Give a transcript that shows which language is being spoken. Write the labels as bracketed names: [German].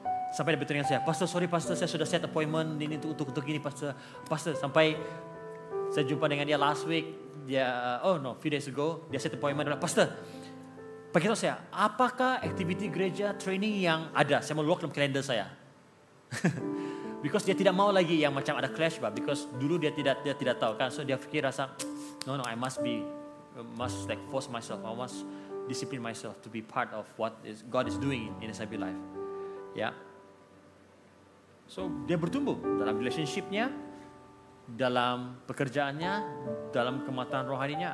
[Malay] Sampai dia bertanya saya, "Pastor, sorry pastor, saya sudah set appointment ini untuk ini pastor." Pastor, sampai saya jumpa dengan dia [English] last week, [Malay] dia [English] few days ago, [Malay] dia set appointment dengan pastor. Beritahu saya, apakah activity gereja training yang ada? Saya mau lock dalam kalender saya. Because dia tidak mau lagi yang macam ada clash, bah. Because dulu dia tidak tahu kan, [English] so [Malay] dia fikir rasa, [English] no, I must like force myself, I must discipline myself to be part of what is God is doing in SIB life, yeah. [Malay] So dia bertumbuh dalam relationshipnya, dalam pekerjaannya, dalam kematangan rohaninya.